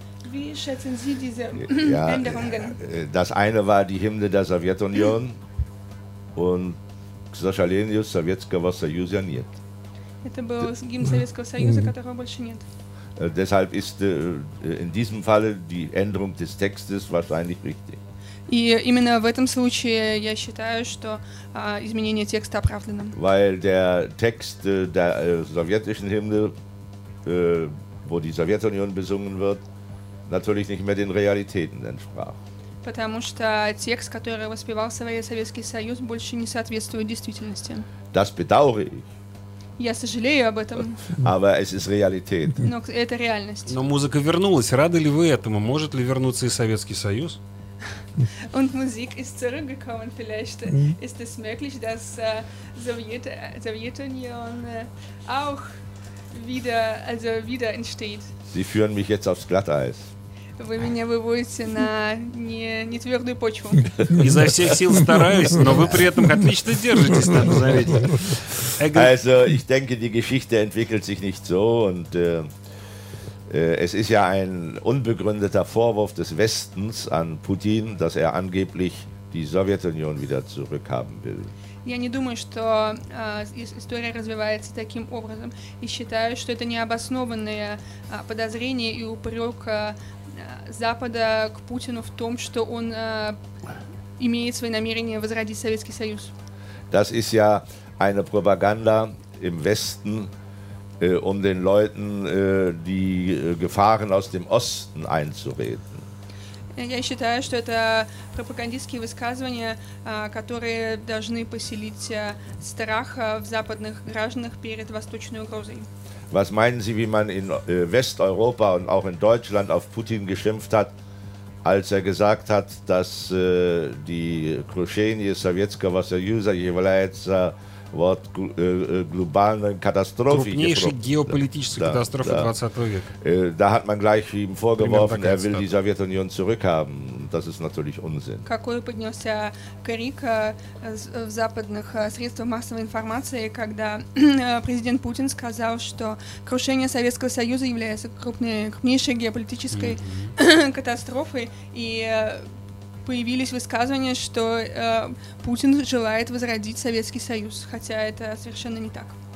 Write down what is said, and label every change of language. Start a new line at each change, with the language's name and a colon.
German: Wie schätzen Sie diese Änderungen? Das eine war die Hymne der Sowjetunion und
Russian: Ксоша Ленинус Советского Союза нет. Это был гимн Советского Союза, которого больше нет.
German: Deshalb ist in diesem Falle die Änderung des Textes wahrscheinlich richtig.
Russian: И именно в этом случае я считаю, что изменение текста оправдано.
German: Weil der Text der sowjetischen Hymne, wo die Sowjetunion besungen wird, natürlich nicht mehr den Realitäten entsprach.
Russian: Потому что текст, который воспевался Советский Союз, больше не соответствует действительности.
German: Das bedauere ich.
Russian: Я сожалею об этом.
German: Aber es ist Realität.
Russian: Но это реальность. Но музыка вернулась. Рады ли вы этому? Может ли вернуться и Советский Союз?
German: Und Musik ist zurückgekommen. Vielleicht ist es möglich, dass Sowjetunion auch wieder entsteht. Sie führen mich jetzt aufs Glatteis.
Russian: Вы меня выводите на не твердую почву. Изо всех сил стараюсь, но вы при этом отлично держитесь, надо заметить.
German: Also, ich denke, die Geschichte entwickelt sich nicht so und es ist ja ein unbegründeter Vorwurf des Westens an Putin, dass angeblich die Sowjetunion wieder zurückhaben will.
Russian: Я не думаю, что история развивается таким образом. И считаю, что это необоснованное подозрение и упрек Запада к Путину в том, что он имеет свои намерения возродить Советский Союз.
German: Das ist ja eine Propaganda im Westen, den Leuten die Gefahren aus dem Osten einzureden.
Russian: Я считаю, что это пропагандистские высказывания, которые должны поселить страх в западных гражданах перед восточной угрозой.
German: Was meinen Sie, wie man in Westeuropa und auch in Deutschland auf Putin geschimpft hat, als gesagt hat, dass die
Russian: крушение Советского Союза является вот глобальной катастрофой. Крупнейшей геополитической катастрофы 20 века.
German: Да, hat man gleich ihm vorgeworfen, er will die Sowjetunion zurückhaben. Das ist natürlich Unsinn.
Russian: Какой поднялся крик в западных средствах массовой информации, когда президент Путин сказал, что крушение Советского Союза является крупнейшей геополитической катастрофой, и появились высказывания, что Путин желает возродить Советский Союз, хотя это совершенно не так.